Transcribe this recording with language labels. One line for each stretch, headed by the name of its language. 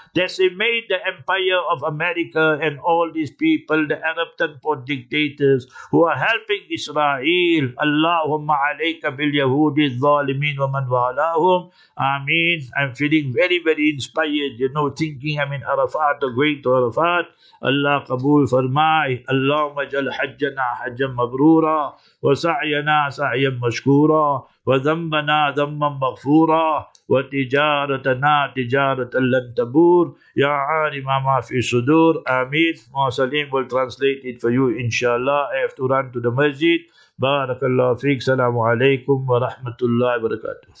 English: Decimate the empire of America and all these people, the Arab tenpot dictators who are helping Israel.
Arabic: Allahumma alayka bil yahudi zalimin wa man walahum. Ameen.
English: I'm feeling very, very inspired, you know, thinking I'm in Arafat or going to Arafat.
Urdu: Allah qabool farmai.
Arabic: Allahumma جل حجنا حجا مبرورا وسعينا سعيا مشكورا وذنبنا ذنبا مغفورا وتجارتنا تجارة لن تبور يا عالم ما في صدور آمين.
English: ما سليم will translate it for you inshallah. I have to run to the masjid.
Arabic: بارك الله فيك. السلام عليكم ورحمة الله وبركاته.